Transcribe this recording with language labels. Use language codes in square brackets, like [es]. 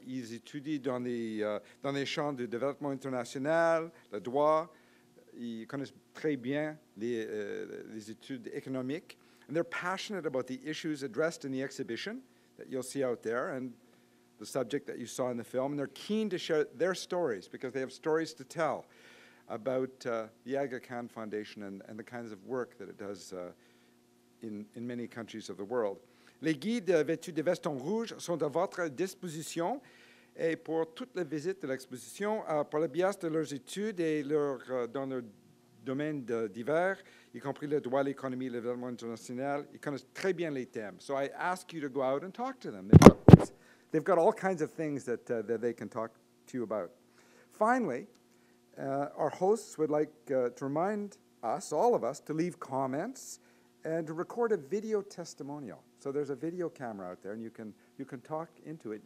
[fr] Ils étudient dans les champs du développement international, le droit. Ils connaissent très bien les études économiques. [en] And they're passionate about the issues addressed in the exhibition that you'll see out there and the subject that you saw in the film. And they're keen to share their stories because they have stories to tell about the Aga Khan Foundation and the kinds of work that it does in many countries of the world. [fr] Les guides vêtus de veston rouge sont à votre disposition. Et pour toute la visite de l'exposition, par le biais de leurs études et dans leurs domaines divers, y compris le droit, l'économie, le développement international, ils connaissent très bien les thèmes. [en] So I ask you to go out and talk to them. They've got all kinds of things that they can talk to you about. Finally, our hosts would like to remind us, all of us, to leave comments and to record a video testimonial. So there's a video camera out there, and you can talk into it.